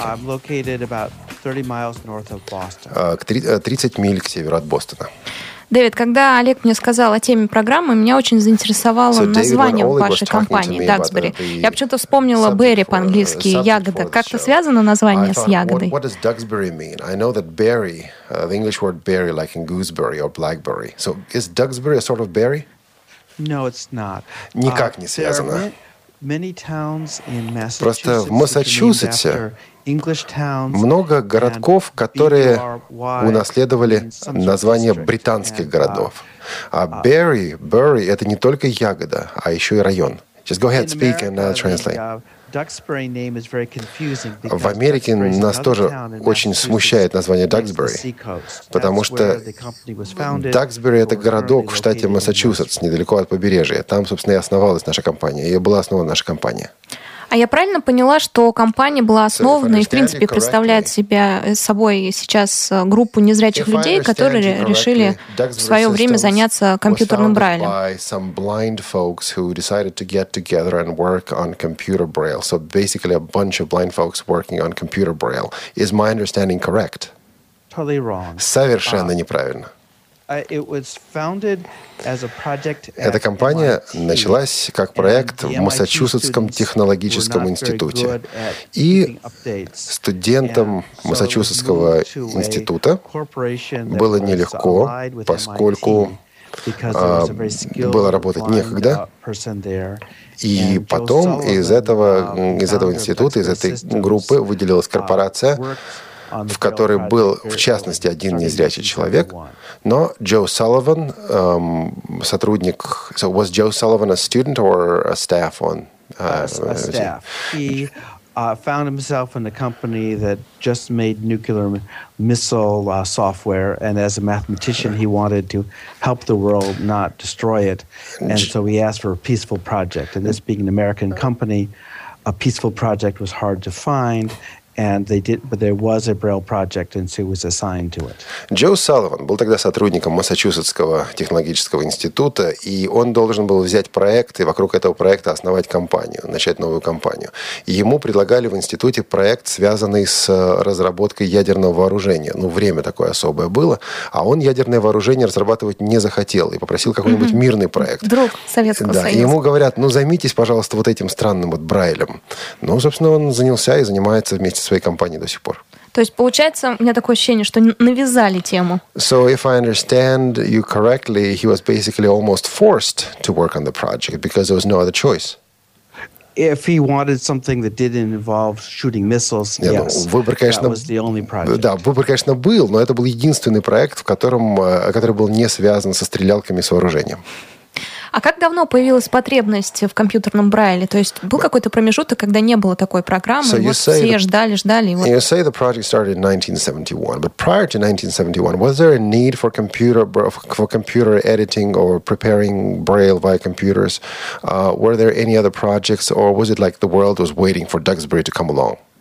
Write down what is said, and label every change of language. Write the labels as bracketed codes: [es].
[en] I'm located about 30 miles north of Boston. [ru] 30 миль к северу от Бостона. Дэвид, когда Олег мне сказал о теме программы, меня очень заинтересовало название вашей компании, Duxbury. Я почему-то вспомнила berry по-английски, ягода. Как-то связано название с ягодой? [en] What does Duxbury mean? I know that berry, the English word berry, like in gooseberry or blackberry. So is Duxbury a sort of berry? No, it's not. [ru] Никак не связано. [en] There are many towns in Massachusetts. [ru] Просто в Массачусетсе много городков, которые унаследовали название британских городов. А berry, berry – это не только ягода, а еще и район. [en] Just go ahead, speak and I'll translate. [ru] В Америке нас тоже очень смущает название Duxbury, потому что Duxbury – это городок в штате Массачусетс, недалеко от побережья. Там, собственно, и основалась наша компания, и была основана наша компания. А я правильно поняла, что компания была основана и, в принципе, представляет себя собой сейчас группу незрячих людей, которые решили в свое время заняться компьютерным Брайлем? [en] By some blind folks who decided to get together and work on computer Braille. So basically a bunch of blind folks working on computer Braille. Is my understanding correct? Totally wrong. [ru] Совершенно неправильно. [en] It was founded as a project at [ru] MIT. Эта компания началась как проект в Массачусетском технологическом институте. И студентам Массачусетского института было нелегко, поскольку было работать некогда. И потом из этого института, из этой группы выделилась корпорация, в которой был, в частности, один незрячий человек, но Джо Салливан, сотрудник... [en] So was Joe Sullivan a student or a staff on... A staff. He found himself in a company that just made nuclear missile software, and as a mathematician, he wanted to help the world, not destroy it. And so he asked for a peaceful project. And this being an American company, a peaceful project was hard to find. And they did, but there was a Braille project, and so he was assigned to it. [ru] Джо Салливан был тогда сотрудником Массачусетского технологического института, и он должен был взять проект и вокруг этого проекта основать компанию, начать новую компанию. Ему предлагали в институте проект, связанный с разработкой ядерного вооружения. Ну, время такое особое было, а он ядерное вооружение разрабатывать не захотел и попросил какой-нибудь мирный проект. Друг Советского Союза. Да, ему говорят, ну, займитесь, пожалуйста, вот этим странным вот Брайлем. Ну, собственно, он занялся и занимается вместе своей компании до сих пор. То есть, получается, у меня такое ощущение, что навязали тему. [en] So, if I understand you correctly, he was basically almost forced to work on the project because there was no other choice. If he wanted something that didn't involve shooting missiles, yes. [ru] Ну, выбор, конечно, [en] that was the only project. [ru] Да, выбор, конечно, был, но это был единственный проект, в котором, который был не связан со стрелялками и с вооружением. А как давно появилась потребность в компьютерном Брайле? То есть был какой-то промежуток, когда не было такой программы, [en] so [ru] и вот все ждали. Вот. [en] You say the project started in 1971, but prior to 1971, was there a need for computer editing or preparing Braille via computers? Were there any other projects, or was it like the world was waiting for Duxbury to come along?